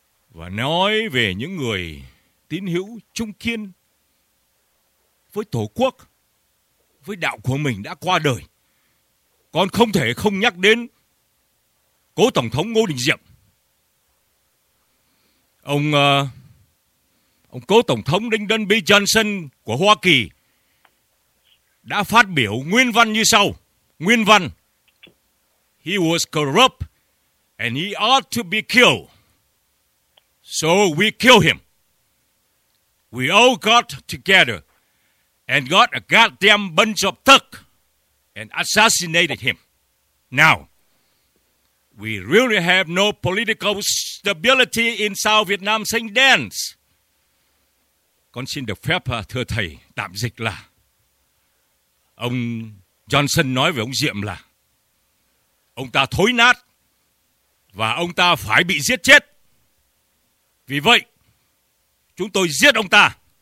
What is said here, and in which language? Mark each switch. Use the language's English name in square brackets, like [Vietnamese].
[Vietnamese] Và nói về những người tín hữu trung kiên với tổ quốc, với đạo của mình đã qua đời, con không thể không nhắc đến cố Tổng thống Ngô Đình Diệm. Ông cố Tổng thống Lyndon B. Johnson của Hoa Kỳ đã phát biểu nguyên văn như sau. [English] Nguyên văn: "He was corrupt and he ought to be killed. So we kill him. We all got together and got a goddamn bunch of thugs and assassinated him. Now, we really have no political stability in South Vietnam since then." [Vietnamese] Con xin được phép thưa thầy tạm dịch là ông Johnson nói với ông Diệm là ông ta thối nát và ông ta phải bị giết chết. Vì vậy, chúng tôi giết ông ta.